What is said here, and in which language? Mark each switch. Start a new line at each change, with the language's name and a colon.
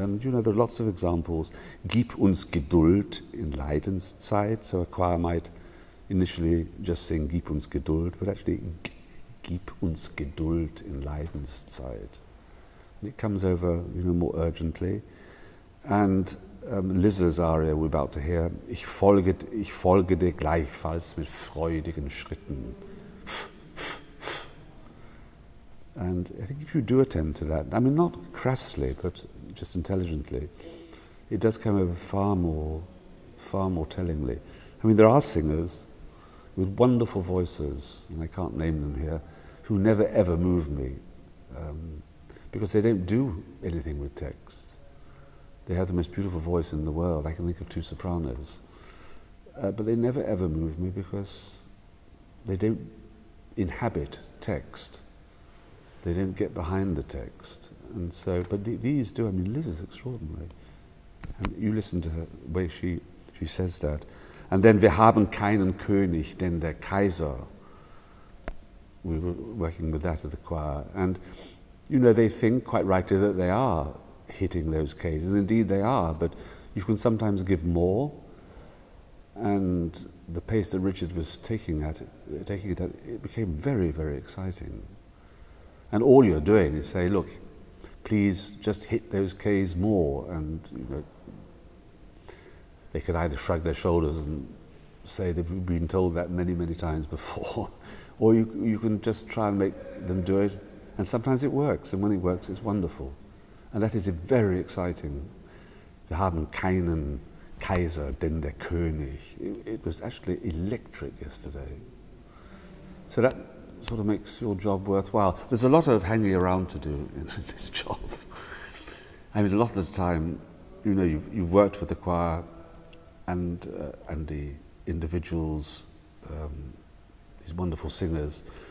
English: And, you know, there are lots of examples.
German: Gib uns Geduld in Leidens Zeit.
English: So a choir might initially just sing
German: Gib uns Geduld,
English: but actually
German: Gib uns Geduld in Leidens Zeit.
English: And it comes over, you know, more urgently. And Liz's aria we're about to hear,
German: ich folge dir gleichfalls mit freudigen Schritten.
English: And I think if you do attend to that, I mean, not crassly, but just intelligently, it does come over far more tellingly. I mean, there are singers with wonderful voices, and I can't name them here, who never ever move me because they don't do anything with text. They have the most beautiful voice in the world. I can think of two sopranos. But they never, ever move me because they don't inhabit text. They don't get behind the text. And so, but these do. I mean, Liz is extraordinary. And you listen to her, the way she says that. And then,
German: wir haben keinen König, denn der Kaiser.
English: We were working with that at the choir. And, you know, they think, quite rightly, that they are hitting those K's, and indeed they are, but you can sometimes give more, and the pace that Richard was taking it at, it became very, very exciting. And all you're doing is say, look, please just hit those K's more, and you know, they could either shrug their shoulders and say they've been told that many, many times before, or you can just try and make them do it, and sometimes it works, and when it works, it's wonderful. And that is a very exciting.
German: Wir haben keinen Kaiser, denn der König.
English: It was actually electric yesterday. So that sort of makes your job worthwhile. There's a lot of hanging around to do in this job. I mean, a lot of the time, you know, you've worked with the choir and the individuals, these wonderful singers.